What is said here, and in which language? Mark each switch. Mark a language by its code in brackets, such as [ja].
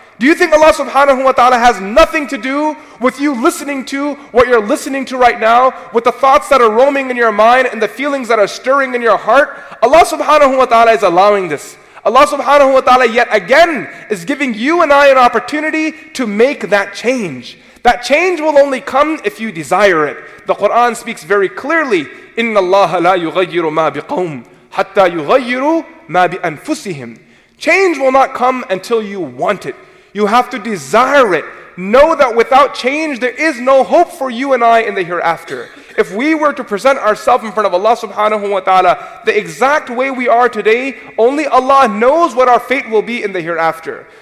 [en] Do you think Allah subhanahu wa ta'ala has nothing to do with you listening to what you're listening to right now, with the thoughts that are roaming in your mind and the feelings that are stirring in your heart? Allah subhanahu wa ta'ala is allowing this. Allah subhanahu wa ta'ala yet again is giving you and I an opportunity to make that change. That change will only come if you desire it. The Quran speaks very clearly, [ar] إِنَّ اللَّهَ لَا يُغَيِّرُ مَا بِقَوْمٍ حَتَّى يُغَيِّرُوا مَا بِأَنفُسِهِمْ. [en] Change will not come until you want it. You have to desire it. Know that without change, there is no hope for you and I in the hereafter. If we were to present ourselves in front of Allah subhanahu wa ta'ala the exact way we are today, only Allah knows what our fate will be in the hereafter.